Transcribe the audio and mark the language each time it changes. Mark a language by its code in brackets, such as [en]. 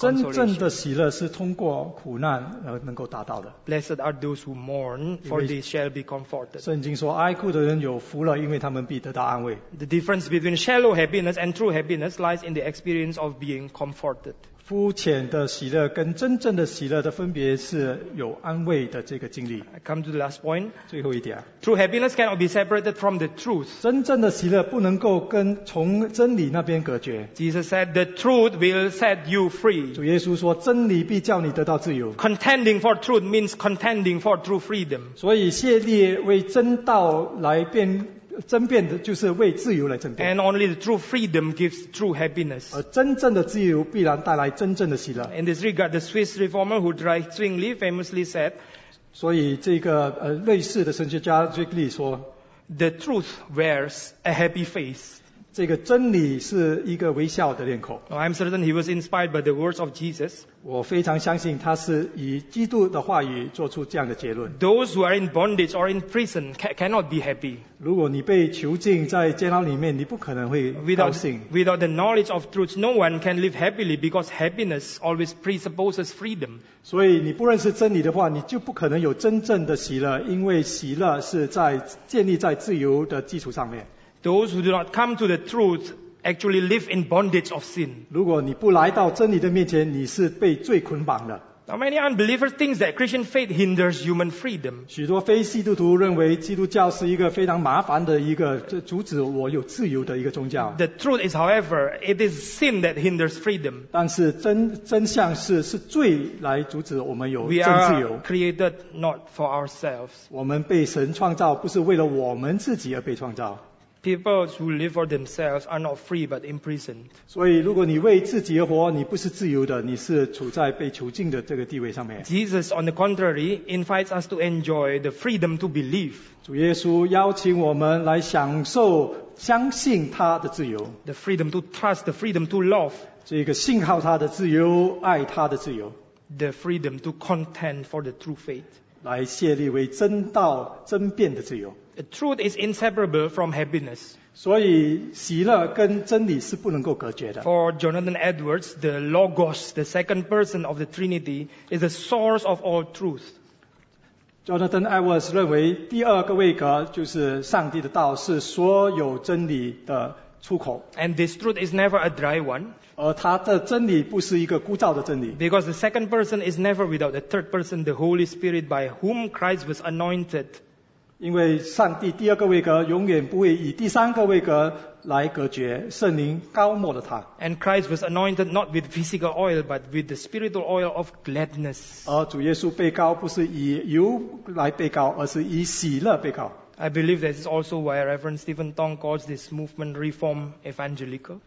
[zh] 真正的喜乐是通过苦难而能够达到的。 [en] Blessed are those who mourn for they shall be comforted. [zh] 圣经说哀哭的人有福了，因为他们必得到安慰。 [en] The difference between shallow happiness and true happiness lies in the experience of being comforted. [zh] 肤浅的喜乐跟真正的喜乐的分别是有安慰的这个经历。 [en] I come to the last point. [zh] 最后一点。 [en] True happiness cannot be separated from the truth. [zh] 真正的喜乐不能够跟从真理那边隔绝。 [en] Jesus said, the truth will set you free. [zh] 主耶稣说真理必叫你得到自由。 [en] Contending for truth means contending for true freedom. [zh] 所以谢烈为真道来辩争辩的就是为自由来争辩。 [en] And only the true freedom gives true happiness. [zh] 而真正的自由必然带来真正的喜乐。 [en] In this regard, the Swiss reformer who died Zwingli famously said, [zh] 所以这个瑞士的神学家 Zwingli 说， [en] The truth wears a happy face. [zh] 这个真理是一个微笑的脸孔。 [en] I'm certain he was inspired by the words of Jesus. [zh] 我非常相信他是以基督的话语做出这样的结论。 [en] Those who are in bondage or in prison cannot be happy. [zh] 如果你被囚禁在监牢里面，你不可能会高兴。 [en] Without the knowledge of truth, no one can live happily because happiness always presupposes freedom. [zh] 所以你不认识真理的话，你就不可能有真正的喜乐，因为喜乐是在建立在自由的基础上面。 [en] Those who do not come to the truth actually live in bondage of sin. [zh] 如果你不来到真理的面前，你是被罪捆绑的。 [en] Now many unbelievers think that Christian faith hinders human freedom. [zh] 许多非基督徒认为基督教是一个非常麻烦的一个阻止我有自由的一个宗教。 [en] The truth is, however, it is sin that hinders freedom. [zh] 但是真相是罪来阻止我们有真自由。 [en] We are created not for ourselves. [zh] 我们被神创造不是为了我们自己而被创造。 [en] People who live for themselves are not free but imprisoned. [zh] 所以如果你为自己而活，你不是自由的，你是处在被囚禁的这个地位上面。 [en] Jesus, on the contrary, invites us to enjoy the freedom to believe. [zh] 主耶稣邀请我们来享受相信他的自由。 [en] The freedom to trust, the freedom to love. [zh] 这个信靠他的自由，爱他的自由。 [en] The freedom to contend for the true faith. [zh] 来谢立为真道争辩的自由。 [en] The truth is inseparable from happiness. [zh] 所以喜乐跟真理是不能够隔绝的。 [en] For Jonathan Edwards, the Logos, the second person of the Trinity, is the source of all truth. [zh] Jonathan Edwards 认为第二个位格就是上帝的道是所有真理的出口。 [en] And this truth is never a dry one. [zh] 而他的真理不是一个枯燥的真理。 [en] Because the second person is never without the third person, the Holy Spirit, by whom Christ was anointed. [zh] 因为上帝第二个位格永远不会以第三个位格来隔绝圣灵高莫的他。 [en] And Christ was anointed not with physical oil, but with the spiritual oil of gladness. [zh] 而主耶稣被膏不是以油来被膏，而是以喜乐被膏。 [en] I believe that is also why Reverend Stephen Tong calls this movement Reform Evangelical.